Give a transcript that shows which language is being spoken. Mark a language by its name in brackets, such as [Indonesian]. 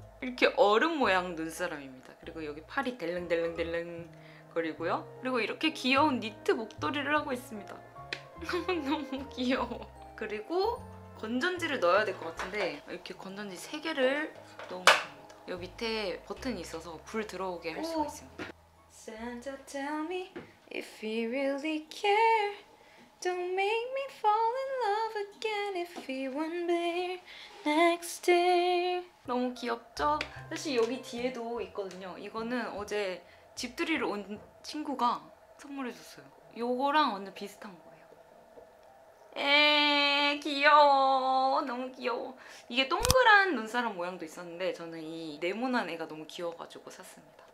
[Korean] 이렇게 얼음 모양 눈사람입니다. 그리고 여기 팔이 델릉델릉델릉 거리고요. 그리고 이렇게 귀여운 니트 목도리를 하고 있습니다. 너무 귀여워. 그리고 건전지를 넣어야 될 것 같은데 이렇게 건전지 3개를 넣어봅니다. 여기 밑에 버튼이 있어서 불 들어오게 할 수가 있습니다. [English] Santa tell me if he really care. Don't make me fall in love again if he won't be next day. [Korean] 너무 귀엽죠? 사실 여기 뒤에도 있거든요. 이거는 어제 집들이를 온 친구가 선물해줬어요. 요거랑 완전 비슷한 거예요. 에, 귀여워. 너무 귀여워. 이게 동그란 눈사람 모양도 있었는데 저는 이 네모난 애가 너무 귀여워가지고 샀습니다.